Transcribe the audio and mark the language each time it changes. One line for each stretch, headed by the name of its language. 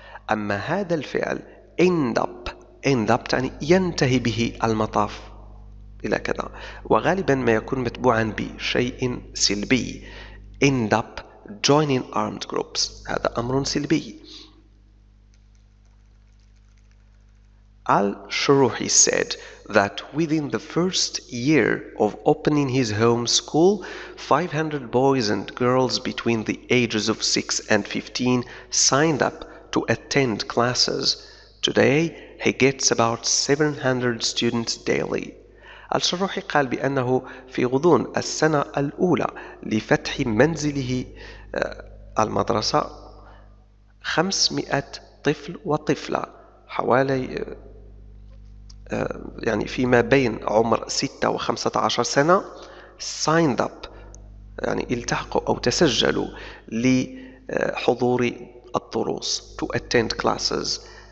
Arabic: أما هذا الفعل
English: end up
Arabic: يعني ينتهي به المطاف إلى كذا وغالبا ما يكون متبوعا بشيء سلبي
English: end up joining armed groups
Arabic: هذا أمر سلبي.
English: Al-Shuruhi said that within the first year of opening his home school 500 boys and girls between the ages of 6 and 15 signed up to attend classes. Today he gets about 700 students daily.
Arabic: الشروحي قال بأنه في غضون السنة الأولى لفتح منزله المدرسة 500 طفل وطفلة حوالي يعني فيما بين عمر 6 و 15 سنة
English: signed up
Arabic: يعني التحقوا أو تسجلوا لحضور الدروس
English: to attend classes.